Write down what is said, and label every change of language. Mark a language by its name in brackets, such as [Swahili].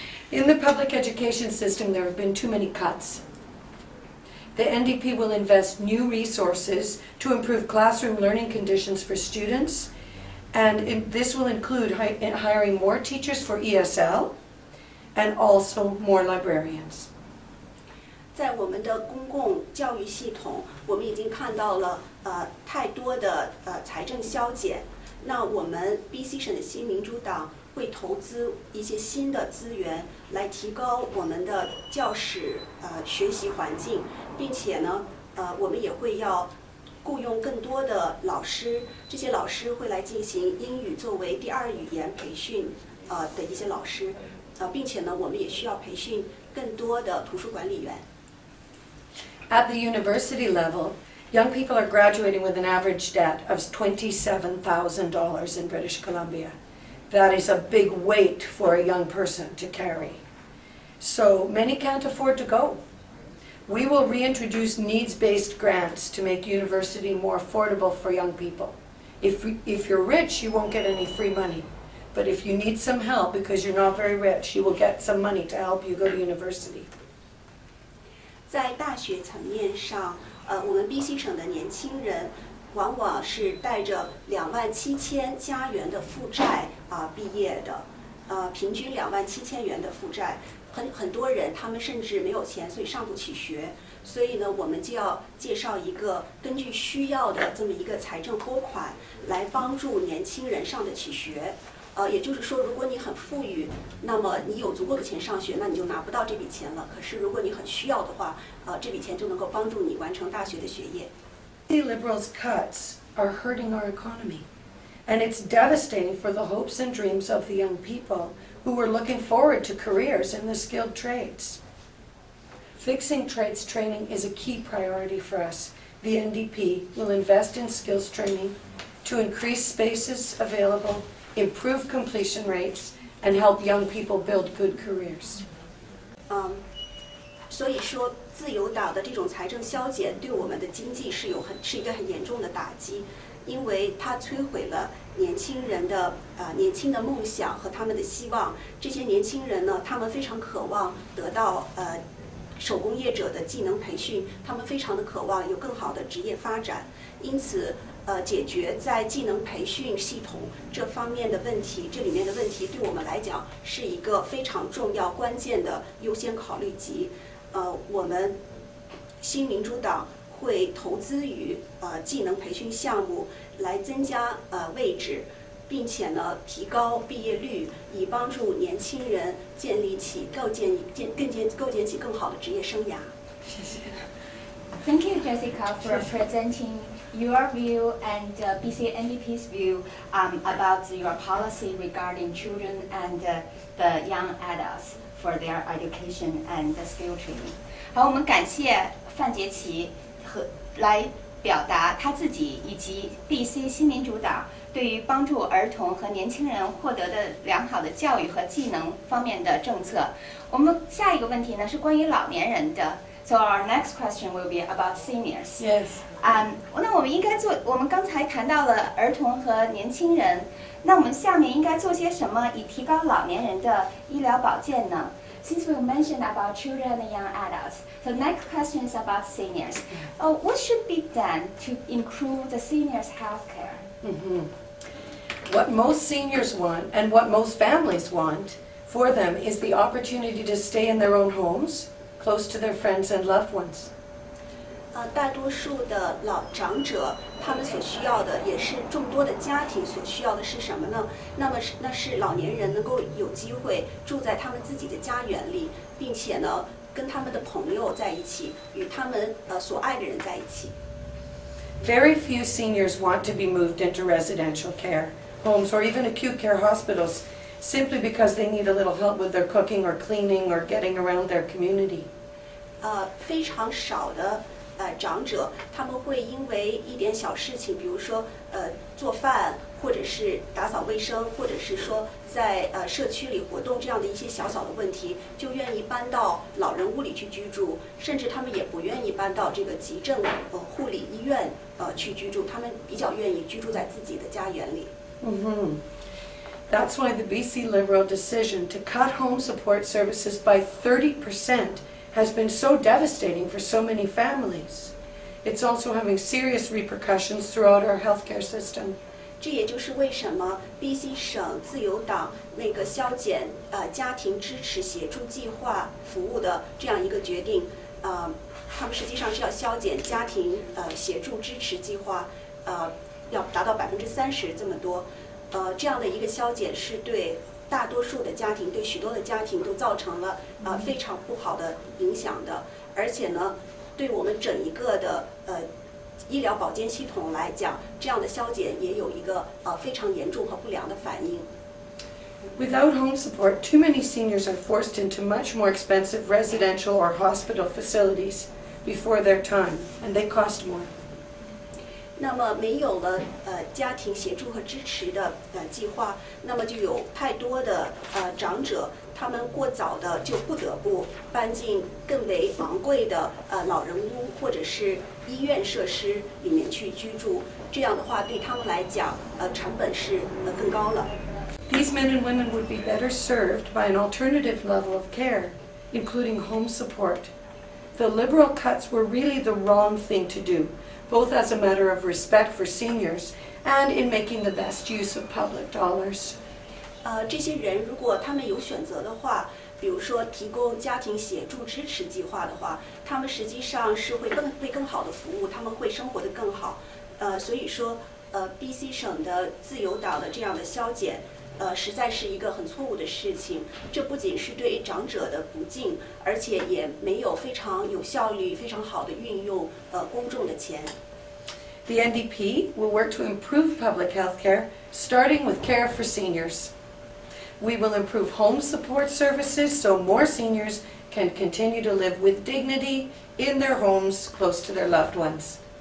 [English] In the public education system, there have been too many cuts. The NDP will invest new resources to improve classroom learning conditions for students, and this will include hiring more teachers for ESL and also more librarians. [Chinese] 在我们的公共教育系统，我们已经看到了太多的财政削减。那我们 BC 省的新民主党会投资一些新的资源来提高我们的教室学习环境。并且呢，我们也会要雇佣更多的老师，这些老师会来进行英语作为第二语言培训，的一些老师，并且呢，我们也需要培训更多的图书管理员。 [English] At the university level, young people are graduating with an average debt of $27,000 in British Columbia. That is a big weight for a young person to carry. So many can't afford to go. We will reintroduce needs-based grants to make university more affordable for young people. If you're rich, you won't get any free money. But if you need some help because you're not very rich, you will get some money to help you go to university. [Chinese] 在大学层面上，我们 BC 省的年轻人往往是带着27,000加元的负债毕业的，平均27,000元的负债，很多人他们甚至没有钱，所以上不起学。所以呢，我们就要介绍一个根据需要的这么一个财政拨款，来帮助年轻人上得起学。也就是说，如果你很富裕，那么你有足够的钱上学，那你就拿不到这笔钱了。可是如果你很需要的话，这笔钱就能够帮助你完成大学的学业。 [English] The Liberals' cuts are hurting our economy, and it's devastating for the hopes and dreams of the young people who were looking forward to careers in the skilled trades. Fixing trades training is a key priority for us. The NDP will invest in skills training to increase spaces available, improve completion rates, and help young people build good careers. [Chinese] 所以说自由党的这种财政削减对我们的经济是一个很严重的打击，因为它摧毁了年轻人的年轻的梦想和他们的希望。这些年轻人呢，他们非常渴望得到手工业者的技能培训，他们非常的渴望有更好的职业发展。因此解决在技能培训系统这方面的问题，这里面的问题对我们来讲是一个非常重要关键的优先考虑级。我们新民主党会投资于技能培训项目，来增加位置，并且呢提高毕业率，以帮助年轻人建立起构建起更好的职业生涯。谢谢。 [English] Thank you, Jessica, for presenting your view and BC NDP's view about your policy regarding children and the young adults for their education and the skill training. [Chinese] 好，我们感谢范杰奇和来表达他自己以及 BC 新民主党对于帮助儿童和年轻人获得的良好的教育和技能方面的政策。我们下一个问题呢是关于老年人的。 [English] So our next question will be about seniors. Yes. [Chinese] 那我们应该做，我们刚才谈到了儿童和年轻人，那我们下面应该做些什么以提高老年人的医疗保健呢？ [English] Since we mentioned about children and young adults, the next question is about seniors. What should be done to improve the seniors' health care? What most seniors want and what most families want for them is the opportunity to stay in their own homes, close to their friends and loved ones. [Chinese] 大多数的老长者他们所需要的也是众多的家庭所需要的是什么呢？那是老年人能够有机会住在他们自己的家园里，并且呢跟他们的朋友在一起，与他们所爱的人在一起。 [English] Very few seniors want to be moved into residential care homes or even acute care hospitals simply because they need a little help with their cooking or cleaning or getting around their community. [Chinese] 非常少的长者他们会因为一点小事情，比如说做饭或者是打扫卫生，或者是说在社区里活动这样的一些小小的问题，就愿意搬到老人屋里去居住，甚至他们也不愿意搬到这个急症护理医院去居住，他们比较愿意居住在自己的家园里。 [English] That's why the BC Liberal decision to cut home support services by 30% has been so devastating for so many families. It's also having serious repercussions throughout our healthcare system. [Chinese] 这也就是为什么 BC 省自由党那个削减家庭支持协助计划服务的这样一个决定，他们实际上是要削减家庭协助支持计划，要达到30%这么多。这样的一个削减是对大多数的家庭，对许多的家庭都造成了非常不好的影响的。而且呢，对我们整一个的医疗保健系统来讲，这样的削减也有一个非常严重和不良的反应。 [English] Without home support, too many seniors are forced into much more expensive residential or hospital facilities before their time, and they cost more. [Chinese] 那么没有了家庭协助和支持的计划，那么就有太多的长者，他们过早的就不得不搬进更为昂贵的老人屋或者是医院设施里面去居住，这样的话对他们来讲成本是更高了。 [English] These men and women would be better served by an alternative level of care, including home support. The liberal cuts were really the wrong thing to do. Both as a matter of respect for seniors and in making the best use of public dollars. [Chinese] 这些人如果他们有选择的话，比如说提供家庭协助支持计划的话，他们实际上是会更好的服务，他们会生活得更好。所以说，BC 省的自由党的这样的削减，实在是一个很错误的事情。这不仅是对长者的不敬，而且也没有非常有效率、非常好的运用公众的钱。 [English] The NDP will work to improve public health care, starting with care for seniors. We will improve home support services so more seniors can continue to live with dignity in their homes close to their loved ones.